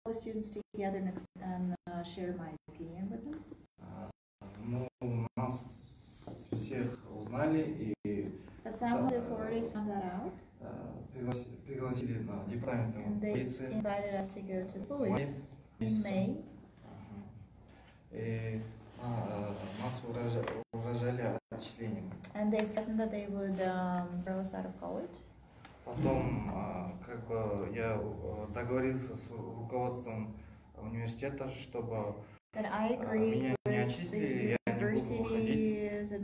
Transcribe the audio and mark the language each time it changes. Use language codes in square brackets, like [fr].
[en] the students together and share my opinion with them? [ru] Ну, нас всех узнали и... [en] But some of the authorities found that out. [ru] Пригласили на департамент полиции. [en] And they invited us to go to the police in May. [ru] И нас угрожали отчислением. [en] And they threatened that they would throw us out of college. [ru] Потом, как бы, я договорился с руководством университета, чтобы меня не отчислили, я не буду